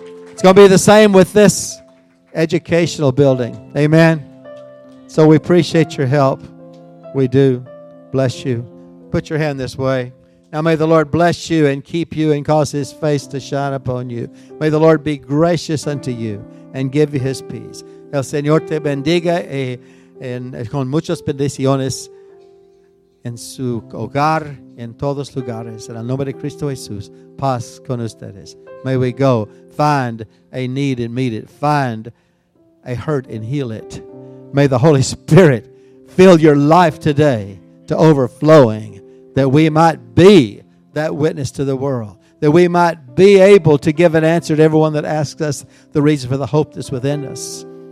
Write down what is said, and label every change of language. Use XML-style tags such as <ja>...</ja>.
<en>It's going to be the same with this educational building. Amen. So we appreciate your help. We do. Bless you. Put your hand this way. Now may the Lord bless you and keep you and cause his face to shine upon you. May the Lord be gracious unto you and give you his peace.</en> <es>El Señor te bendiga y con muchas bendiciones en su hogar, en todos lugares. En el nombre de Cristo Jesús, paz con ustedes.</es> <en>May we go find a need and meet it. Find a hurt and heal it. May the Holy Spirit fill your life today to overflowing, that we might be that witness to the world, that we might be able to give an answer to everyone that asks us the reason for the hope that's within us.</en>